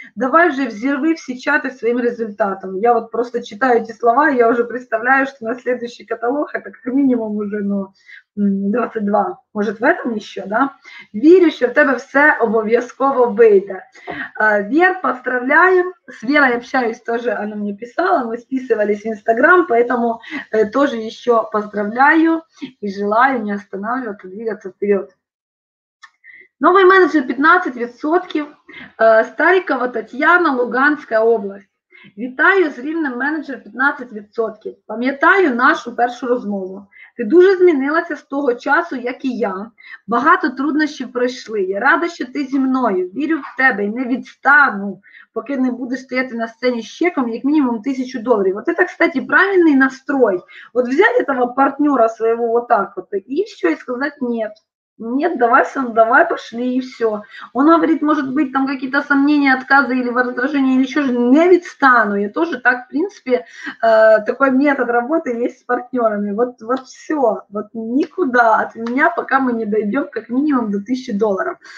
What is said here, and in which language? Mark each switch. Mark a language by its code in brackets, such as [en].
[uk] Давай вже взірви всі чати своїм результатом. Я от просто читаю ті слова, і я вже представляю, що на слідуючий каталог, як мінімум уже, ну, 22, може, [ru] в этом еще, да? [uk] Вірю, що в тебе все обов'язково вийде. [ru] Вер, поздравляю. С Верой общаюсь тоже, она мне писала, мы списывались в Инстаграм, поэтому тоже еще поздравляю и желаю не останавливаться, двигаться вперед. Новый менеджер 15%, Старикова Татьяна, Луганская область. [uk] Вітаю з рівнем менеджер 15%. Пам'ятаю нашу першу розмову. Ти дуже змінилася з того часу, як і я. Багато труднощів пройшли. Я рада, що ти зі мною. Вірю в тебе і не відстану, поки не будеш стояти на сцені з чеком, як мінімум $1000. От це, кстати, правильний настрой. От взяти того партнера своєго отак от, і що, і сказати ні. [ru] Нет, давай, сам, давай, пошли, и все. Он говорит, может быть, там какие-то сомнения, отказы или возражения, или еще же, [uk] не відстану. [ru] Я тоже так, в принципе, такой метод работы есть с партнерами. Вот, вот все, вот никуда от меня, пока мы не дойдем как минимум до $1000.